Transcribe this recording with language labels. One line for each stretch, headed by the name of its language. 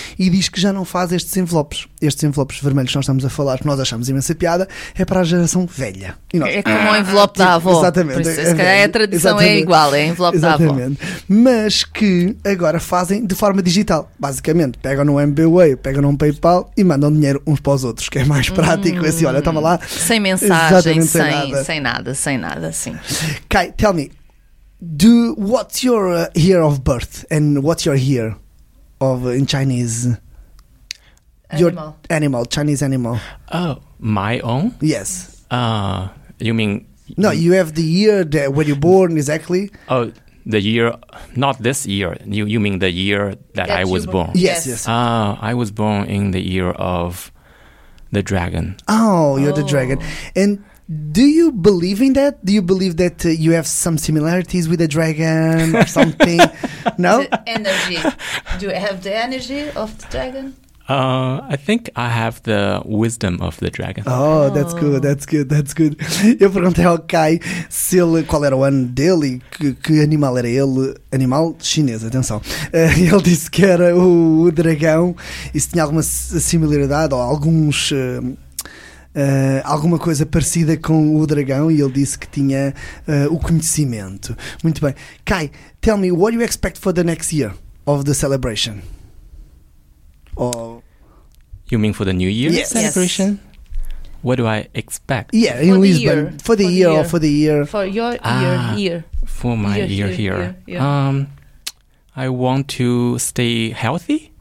Portuguese: E diz que já não faz estes envelopes. Estes envelopes vermelhos que nós estamos a falar, que nós achamos imensa piada, é para a geração velha. E nós, é como um envelope da avó. Exatamente. Se calhar a tradição exatamente. É igual, é envelope exatamente. Da avó. Exatamente. Mas que agora fazem de forma digital. Basicamente, pegam no MBWay, pegam num PayPal e mandam dinheiro uns para os outros, que é mais prático. Assim, olha, estava lá... Sem mensagem, sem nada, sim.
English: Kai, tell me, what's your year of birth and what's your year of in Chinese? Animal. Your animal, Chinese animal. Oh, my own? Yes. You mean... No, you have the year that when you're born, exactly. Oh, the year, not this year. You mean the year that I was born? Yes, yes. I was born in the year of the dragon. Oh, you're the dragon. And... Do you believe in that? Do you believe that you have some similarities with a dragon or something? No? The energy. Do you have the energy of the dragon? I think I have the wisdom of the dragon. Oh, that's good, that's good, that's good.
Portuguese: Eu perguntei ao Kai se ele, qual era o ano dele e que animal era ele. Animal chinês, atenção. Ele disse que era o dragão e se tinha alguma similaridade ou alguns... alguma coisa parecida com o dragão e ele disse que tinha o conhecimento. Muito bem.
English: Kai, tell me, what do you expect for the next year of the celebration? You mean for the New Year celebration? Yes. What do I expect? Yeah, in Lisbon. For the year or for the year? For your year here. For my year, year here. I want to stay healthy.